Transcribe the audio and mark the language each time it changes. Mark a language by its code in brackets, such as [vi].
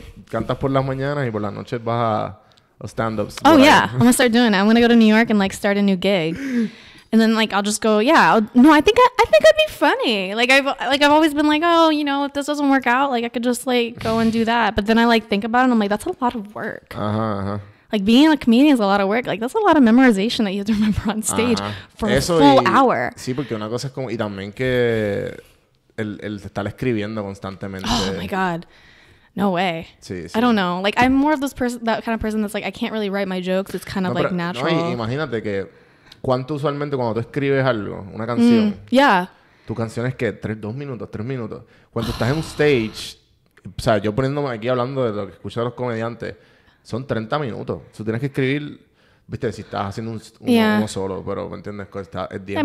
[es] Cantas por las mañanas y por las noches vas a stand-ups. [en] Oh, yeah. I'm going to start doing it. I'm going to go to New York and, like, start a new gig. And then, like, I'll just go, yeah. I think I'd be funny. Like, I've always been like, oh, you know, if this doesn't work out, like, I could just, like, go and do that. But then I, like, think about it and I'm like, that's a lot of work. Like, being a comedian is a lot of work. Like, that's a lot of memorization that you have to remember on stage for [es] eso [en] a full [es] y, [en] hour. [es] Sí, porque una cosa es como... Y también que el estar escribiendo constantemente. [en] Oh, my God. No way. [es] Sí, sí. [en] I don't know. Like, I'm more of those that kind of person that's like, I can't really write my jokes. It's kind of, [es] no, [en] like, [es] pero, [en] natural. [es] No, imagínate que... ¿Cuánto usualmente cuando tú escribes algo, una canción? [en] Yeah. [es] ¿Tu canción es qué? ¿Tres minutos? Cuando estás en un stage... O sea, yo poniéndome aquí hablando de lo que escucho de los comediantes... Son 30 minutos. Tú tienes que escribir, viste, si estás haciendo uno solo, pero me entiendes, está 10 minutos.